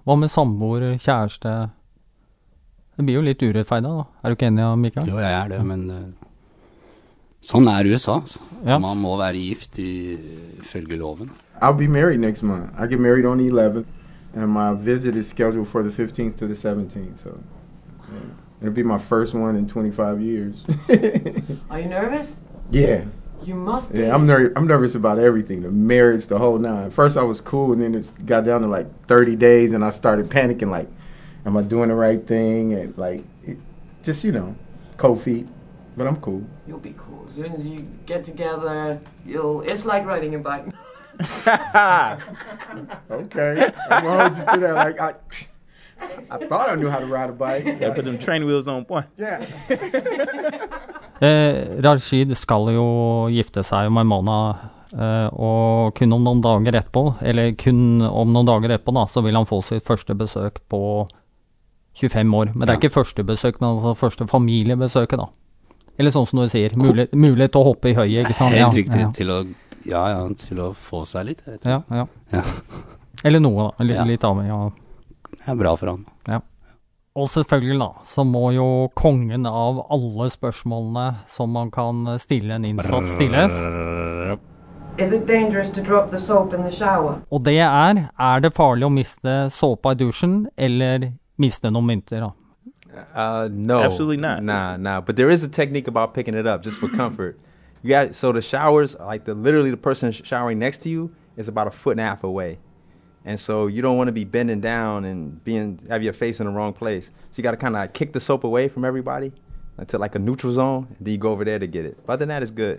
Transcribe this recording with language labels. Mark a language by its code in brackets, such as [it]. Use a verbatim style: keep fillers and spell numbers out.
[no] Hva med samboer, kjæreste? Det blir jo litt urettferdig da. Er du ikke enig, Mikael? Jo, jeg er det, men uh, sånn er U S A. Altså. Ja. Man må være gift i følge loven. [en] I'll be married next month. I get married on the eleventh, and my visit is scheduled for the fifteenth to the seventeenth, so yeah. It'll be my first one in twenty-five years. Are you nervous? Yeah. You must be. Yeah, I'm nervous. I'm nervous about everything. The marriage, the whole nine. First, I was cool, and then it got down to like thirty days, and I started panicking. Like, am I doing the right thing? And like, it, just you know, cold feet. But I'm cool. You'll be cool as soon as you get together. You'll. It's like riding a bike. Okay, I'm gonna hold you to that. Like I. I thought I knew how to ride a bike. Yeah, put them train wheels on point. Yeah. [no] eh, Rashid skal jo gifte seg om en måned, eh, og kun om noen dager etterpå, eller kun om noen dager etterpå da, så vil han få sitt første besøk på tjuefem år. Men det er ja. Ikke første besøk, men altså første familiebesøket da. Eller sånn som du sier, mulighet, mulighet til å hoppe i høyet, ikke sant? Helt riktig, ja, ja. Til å, ja, ja, til å få seg litt. Ja, ja, ja. Eller noe da, litt, ja. litt avhengig av. Det er bra for han. Ja. Og selvfølgelig, da, så må jo kongen av alle spørsmålene som man kan stille en innsatt, stilles. [en] Is it dangerous to drop the soap in the shower? [no] Og det er, er det farlig å miste såpa i dusjen, eller miste noen mynter, da? [en] Uh, no. Absolutely not. Nah, nah. But there is a technique about picking it up just for comfort. You got, so the showers, like the literally the person sh- showering next to you is about a foot and a half away. And so you don't want to be bending down and being have your face in the wrong place. So you got to kind of like kick the soap away from everybody until like a neutral zone. And then you go over there to get it. But other than that, it's good.